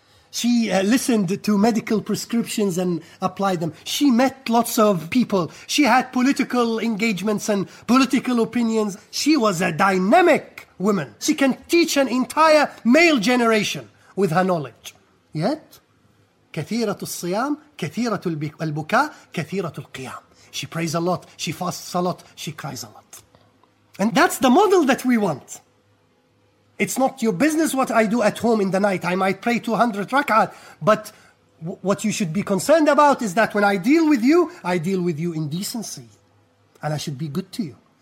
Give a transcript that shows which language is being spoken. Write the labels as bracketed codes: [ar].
[en] She listened to medical prescriptions and applied them. She met lots of people. She had political engagements and political opinions. She was a dynamic woman. She can teach an entire male generation with her knowledge. Yet, [ar] كثيرة الصيام, كثيرة البكاء, كثيرة القيام. [en] She prays a lot, she fasts a lot, she cries a lot. And that's the model that we want. It's not your business what I do at home in the night. I might pray 200 rak'ah, but what you should be concerned about is that when I deal with you, I deal with you in decency. And I should be good to you.